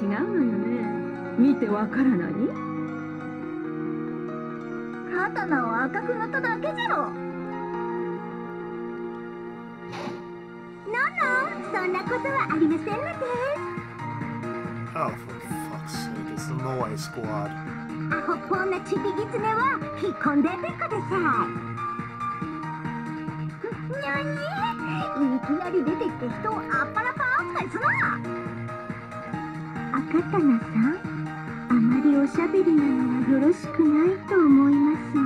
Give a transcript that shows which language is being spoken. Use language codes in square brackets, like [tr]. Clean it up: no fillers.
[ja] なかなかビビッドな色合いでしょ。せっかくじゃから、その赤いリアクヤを選んだっていうことかの。以前見たものは次元に穴を開けるものだった。今回は何が違う。制御してる子が違うのよね。見てわからない。刀を赤くなっただけじゃろ。ノンノン、そんなことはありませんので。 [en] Oh, for fuck's sake, it's the Moai Squad. [ja] アホっぽんなチビギツネは引っ込んでてください。何？いきなり出てきて人をあっぱらパーンとするな。赤刀さん、あまりおしゃべりなのはよろしくないと思います。